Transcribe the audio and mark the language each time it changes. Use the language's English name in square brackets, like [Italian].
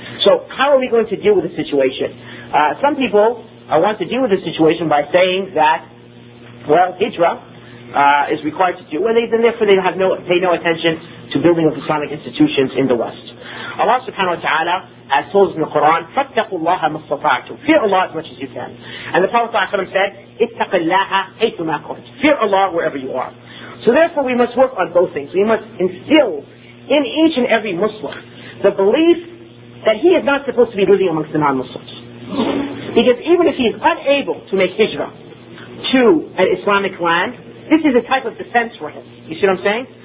[English] So how are we going to deal with the situation? Some people want to deal with the situation by saying that, well, hijrah is required to do, and therefore they have pay no attention to building of Islamic institutions in the West. Allah subhanahu wa ta'ala has told us in the Quran, [Arabic] فَاتَّقُوا اللَّهَ مَا اسْتَطَعْتُمْ. [English] Fear Allah as much as you can. And the Prophet ﷺ said, [Arabic] اِتَّقِ اللَّهَ حَيْثُ مَا كُنْتُ. [English] Fear Allah wherever you are. So therefore we must work on both things. We must instill in each and every Muslim the belief that he is not supposed to be living amongst the non-Muslims. Because even if he is unable to make hijrah to an Islamic land, this is a type of defense for him. You see what I'm saying?